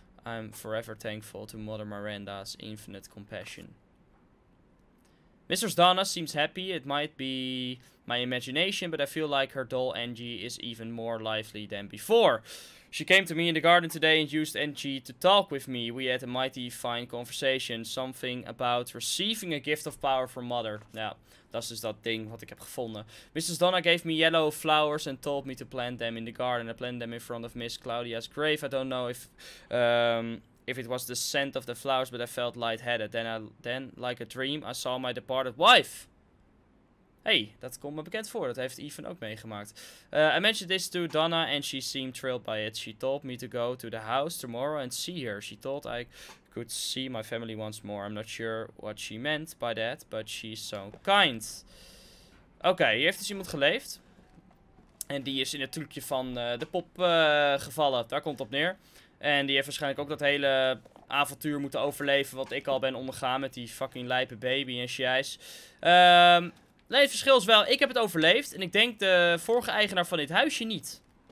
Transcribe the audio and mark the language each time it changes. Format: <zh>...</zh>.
<en>I'm forever thankful to Mother Miranda's infinite compassion. Mrs. Donna seems happy. It might be my imagination, but I feel like her doll Engie is even more lively than before. She came to me in the garden today and used Engie to talk with me. We had a mighty fine conversation. Something about receiving a gift of power from Mother.</en> <nl>Nou, dat is dus dat ding wat ik heb gevonden.</nl> <en>Mrs. Donna gave me yellow flowers and told me to plant them in the garden. I planted them in front of Miss Claudia's grave. I don't know if it was the scent of the flowers, but I felt lightheaded. Then, like a dream, I saw my departed wife.</en> <nl>Hey, dat komt me bekend voor. Dat heeft Ethan ook meegemaakt.</nl> <en>I mentioned this to Donna and she seemed thrilled by it. She told me to go to the house tomorrow and see her. She thought I could see my family once more. I'm not sure what she meant by that, but she's so kind.</en> <nl>Oké, hier heeft dus iemand geleefd. En die is in het trucje van de pop gevallen. Daar komt het op neer. En die heeft waarschijnlijk ook dat hele avontuur moeten overleven wat ik al ben ondergaan met die fucking lijpe baby en shijs. Nee, het verschil is wel, ik heb het overleefd en ik denk de vorige eigenaar van dit huisje niet.</nl>